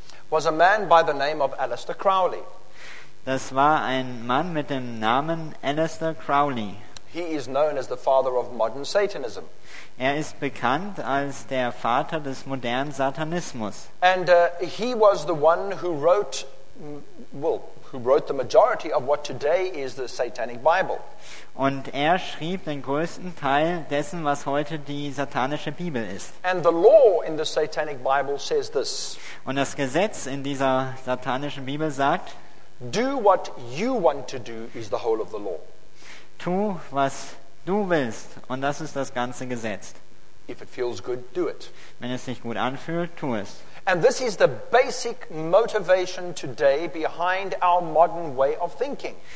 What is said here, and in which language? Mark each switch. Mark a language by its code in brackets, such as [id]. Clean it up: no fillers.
[en] was a man by the name of Aleister Crowley. [de] Das war ein Mann mit dem Namen Aleister Crowley. [en] He is known as the father of modern Satanism. [de] Er ist bekannt als der Vater des modernen Satanismus. [en] And he was the one who wrote, who wrote the majority of what today is the Satanic Bible. [de] Und er schrieb den größten Teil dessen, was heute die satanische Bibel ist. [en] And the law in the Satanic Bible says this. [de] Und das Gesetz in dieser satanischen Bibel sagt, [en] do what you want to do is the whole of the law. [de] Tu, was du willst, und das ist das ganze Gesetz. [en] If it feels good, do it. [de] Wenn es sich gut anfühlt, tu es. [en] And this is the basic motivation today behind our modern way of thinking.